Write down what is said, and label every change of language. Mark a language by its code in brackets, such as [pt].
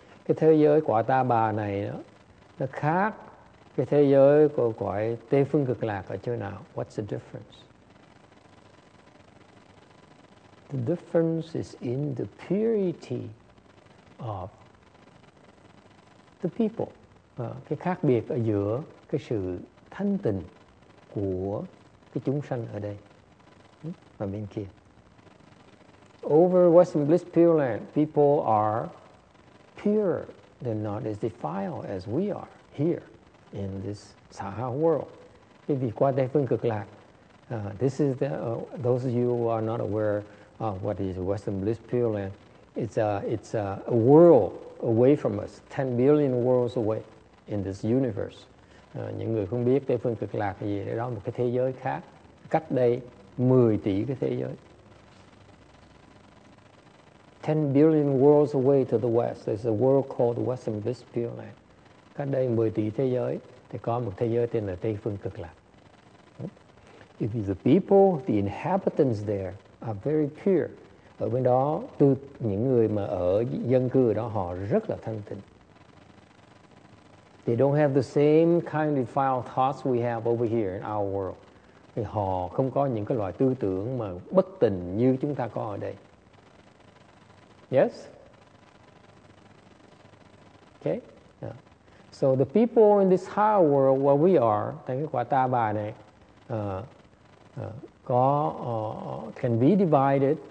[vi] Cái thế giới quả ta bà này đó, nó khác cái thế giới của quả Tây Phương Cực Lạc ở chỗ nào? [en] What's the difference? The difference is in the purity of the people. [vi] Cái khác biệt ở giữa cái sự thanh tịnh của cái chúng sanh ở đây và bên kia. [en] Over Western Bliss Pure Land, people are pure, they're not as defiled as we are here in this Saha world. It'd be quite different. This is the, those of you who are not aware of what is Western Bliss Pure Land, it's a world away from us, 10 billion worlds away in this universe. [vi] Những người không biết Tây Phương Cực Lạc gì, đó là một cái thế giới khác, cách đây 10 tỷ cái thế giới. [en] 10 billion worlds away to the west, there's a world called Western Bliss Pure Land. [vi] Cách đây 10 tỷ thế giới, thì có một thế giới tên là Tây Phương Cực Lạc. [en] If the people, the inhabitants there are very pure. [vi] Ở bên đó, từ những người mà ở dân cư ở đó, họ rất là thanh tịnh. [en] They don't have the same kind of defiled thoughts we have over here in our world. [vi] Thì họ không có những cái loại tư tưởng mà bất tịnh như chúng ta có ở đây. [en] Yes? Okay. Yeah. So the people in this higher world where we are, [vi] thành cái quả ta bà này, [en] can be divided.